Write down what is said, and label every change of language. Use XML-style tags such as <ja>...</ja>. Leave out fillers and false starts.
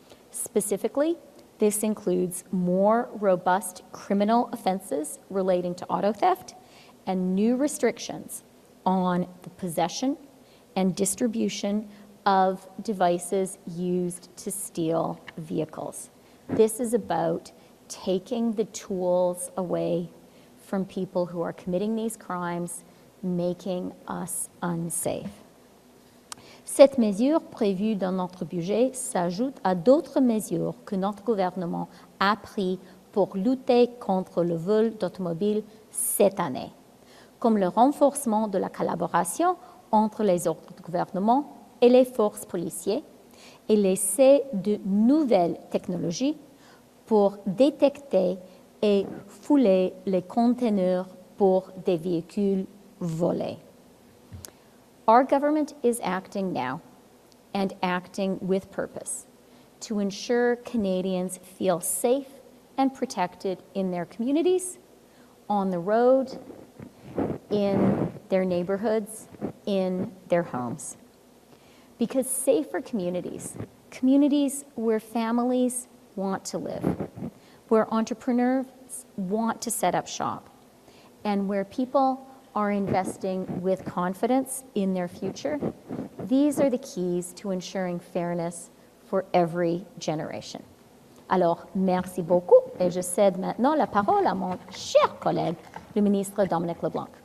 <en>Specifically, this includes more robust criminal offenses relating to auto theft and new restrictions on the possession and distribution of devices used to steal vehicles. This is about taking the tools away from people who are committing these crimes, making us unsafe.</en> <fr>Cette mesure prévue dans notre budget s'ajoute à d'autres mesures que notre gouvernement a prises pour lutter contre le vol d'automobiles cette année, comme le renforcement de la collaboration entre les autres gouvernements et les forces policières et l'essai de nouvelles technologies pour détecter et fouler les conteneurs pour des véhicules volés.</fr> <en>Our government is acting now and acting with purpose to ensure Canadians feel safe and protected in their communities, on the road, in their neighborhoods, in their homes. Because safer communities, communities where families want to live, where entrepreneurs want to set up shop, and where people are investing with confidence in their future, these are the keys to ensuring fairness for every generation.</en> <fr>Alors, merci beaucoup, et je cède maintenant la parole à mon cher collègue, le ministre Dominic LeBlanc.</fr>